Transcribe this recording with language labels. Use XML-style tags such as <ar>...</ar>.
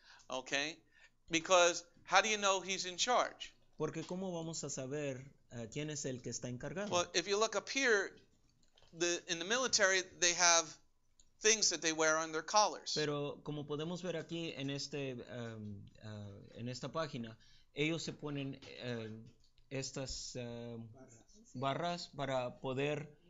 <en>Okay, because how do you know he's in charge?</en> <es>Porque cómo vamos a saber quién es el que está encargado?</es> <en>Well, if you look up here, in the military they have things that they wear on their collars.</en> <es>Pero como podemos ver aquí en este en esta página, ellos se ponen estas barras para poder</es>